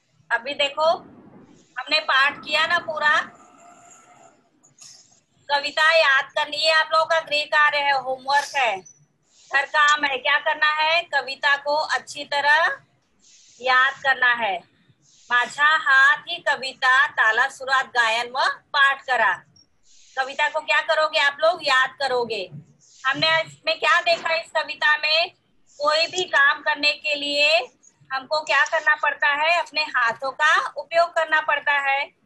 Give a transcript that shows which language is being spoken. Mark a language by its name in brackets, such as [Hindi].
[Hindi] अभी देखो हमने पाठ किया ना पूरा, कविता याद करनी है, आप लोगों का गृह कार्य है, होमवर्क है, घर काम है, क्या करना है, कविता को अच्छी तरह याद करना है। [Marathi] माझा हात ही कविता ताला सुरात गायन व पाठ करा। [Hindi] कविता को क्या करोगे आप लोग, याद करोगे। हमने इसमें क्या देखा, इस कविता में कोई भी काम करने के लिए हमको क्या करना पड़ता है, अपने हाथों का उपयोग करना पड़ता है।